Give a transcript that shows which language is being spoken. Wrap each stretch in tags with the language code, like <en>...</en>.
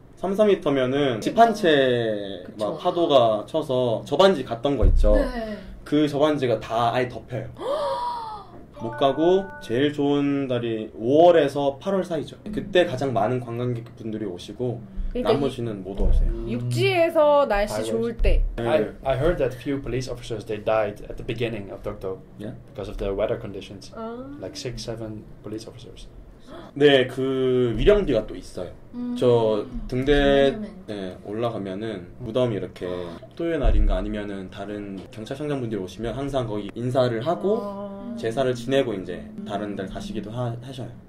<ko>3-4m면은 집 한 채 막 파도가 쳐서 저반지 갔던 거 있죠. 네. 그 저반지가 다 아예 덮여요. 못 가고 제일 좋은 달이 5월에서 8월 사이죠. 그때 가장 많은 관광객분들이 오시고 그러니까 나머지는 못 오세요. 육지에서 날씨 좋을 때.</ko> <en>I heard that few police officers they died at the beginning of Dokdo because of the weather conditions. Like 6-7 police officers.</en> <ko>네, 그 위령비가 또 있어요. 저 등대에 올라가면은 무덤이 이렇게 독도의 날인가 아니면은 다른 경찰청장분들이 오시면 항상 거기 인사를 하고 제사를 지내고 이제 다른 데 가시기도 하셔요.</ko>